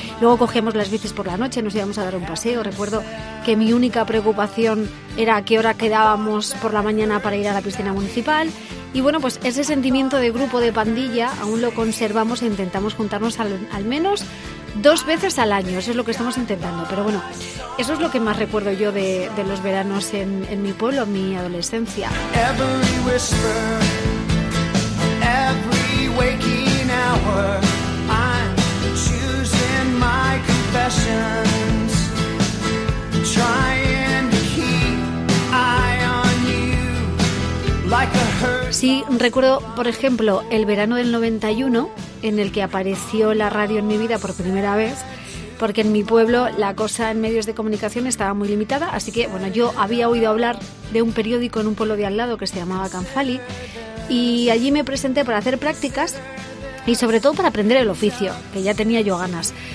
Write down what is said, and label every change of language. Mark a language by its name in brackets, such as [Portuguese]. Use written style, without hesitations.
[Spanish] Luego cogíamos las bicis por la noche, nos íbamos a dar un paseo. Recuerdo que mi única preocupación era a qué hora quedábamos por la mañana para ir a la piscina municipal. Y bueno, pues ese sentimiento de grupo, de pandilla, aún lo conservamos e intentamos juntarnos al menos dos veces al año. Eso es lo que estamos intentando. Pero bueno, eso es lo que más recuerdo yo de los veranos en mi pueblo, en mi adolescencia. [English] Every whisper, every waking hour, I'm choosing my confessions, trying to keep eye on you like a hurt. [Spanish] Sí, recuerdo, por ejemplo, el verano del 91, en el que apareció la radio en mi vida por primera vez, porque en mi pueblo la cosa en medios de comunicación estaba muy limitada, así que, bueno, yo había oído hablar de un periódico en un pueblo de al lado que se llamaba Canfali, y allí me presenté para hacer prácticas y sobre todo para aprender el oficio, que ya tenía yo ganas.